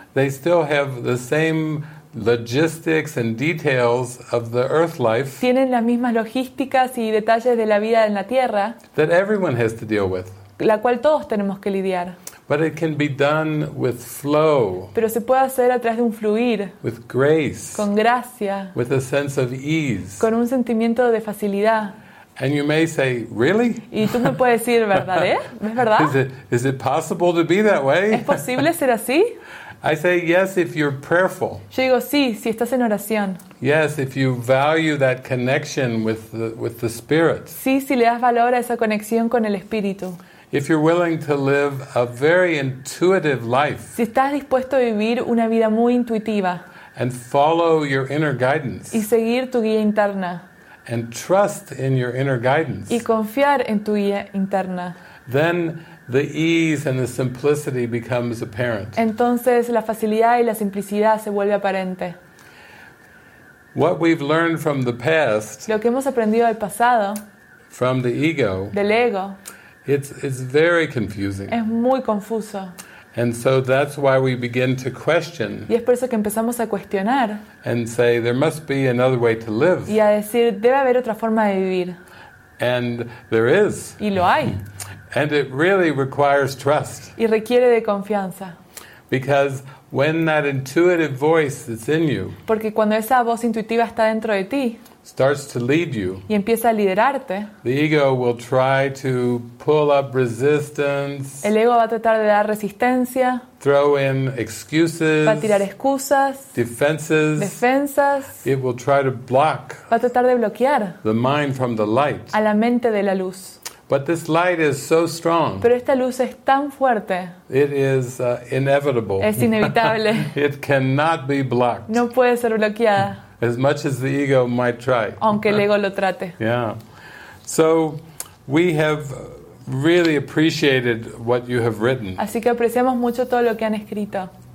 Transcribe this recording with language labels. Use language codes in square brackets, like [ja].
[en] They still have the same logistics and details of the earth life. [es] Tienen las mismas logísticas y detalles de la vida en la tierra. [en] That everyone has to deal with. [es] La cual todos tenemos que lidiar. [en] But it can be done with flow. [es] Pero se puede hacer a través de un fluir. [en] With grace. [es] Con gracia. [en] With a sense of ease. [es] Con un sentimiento de facilidad. [en] And you may say, really? [es] Y tú me puedes decir, ¿verdad? ¿Eh? ¿Es verdad? [en] Is it possible to be that way? [es] ¿Es posible ser así? [en] I say yes if you're prayerful. [es] Yo digo sí si estás en oración. [en] Yes, if you value that connection with the Spirit. [es] Sí, si le das valor a esa conexión con el Espíritu. [en] If you're willing to live a very intuitive life. [es] Si estás dispuesto a vivir una vida muy intuitiva. [en] And follow your inner guidance. [es] Y seguir tu guía interna. [en] And trust in your inner guidance. [es] Y confiar en tu guía interna. [en] Then the ease and the simplicity becomes apparent. [es] Entonces, la facilidad y la simplicidad se vuelve aparente. [en] What we've learned from the past, [es] lo que hemos aprendido del pasado, [en] from the ego, [es] del ego, [en] it's very confusing. [es] Es muy confuso. [en] And so that's why we begin to question. [es] Y es por eso que empezamos a cuestionar. [en] And say there must be another way to live. [es] Y a decir debe haber otra forma de vivir. [en] And there is. [es] Y lo hay. [en] And it really requires trust. [es] Y requiere de confianza. [en] Because when that intuitive voice that's in you, [es] porque cuando esa voz intuitiva está dentro de ti, [en] starts to lead you, [es] y empieza a liderarte, [en] the ego will try to pull up resistance. [es] El ego va a tratar de dar resistencia. [en] Throw in excuses. [es] Va a tirar excusas. [en] Defenses. [es] Defensas. [en] It will try to block. [es] Va a tratar de bloquear. [en] The mind from the light. [es] A la mente de la luz. [en] But this light is so strong. [es] Pero esta luz es tan fuerte. [en] It is inevitable. [es] Es inevitable. [en] It cannot be blocked. [es] No puede ser bloqueada. [en] As much as the ego might try. [es] Aunque el ego lo trate. [en] Yeah. So we have really appreciated what you have written. [es] Así que apreciamos mucho todo lo que han escrito.